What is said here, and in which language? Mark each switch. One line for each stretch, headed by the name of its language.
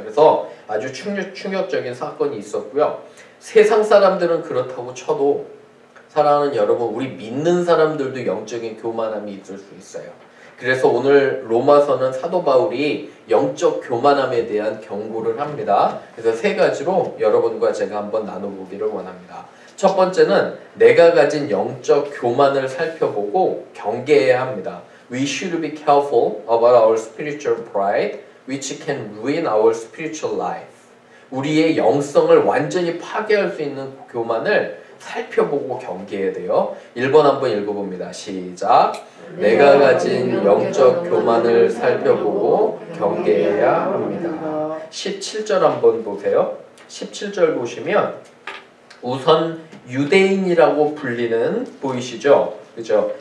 Korean: 그래서 아주 충격적인 사건이 있었고요. 세상 사람들은 그렇다고 쳐도 사랑하는 여러분, 우리 믿는 사람들도 영적인 교만함이 있을 수 있어요. 그래서 오늘 로마서는 사도 바울이 영적 교만함에 대한 경고를 합니다. 그래서 세 가지로 여러분과 제가 한번 나눠보기를 원합니다. 첫 번째는 내가 가진 영적 교만을 살펴보고 경계해야 합니다.
English: We should be careful about our spiritual pride, which can ruin our spiritual life.
Korean: 우리의 영성을 완전히 파괴할 수 있는 교만을 살펴보고 경계해야 돼요. 1번 한번 읽어봅니다. 시작! 내가 가진 영적 교만을 살펴보고 경계해야 합니다. 17절 한번 보세요. 17절 보시면 우선 유대인이라고 불리는, 보이시죠? 그죠?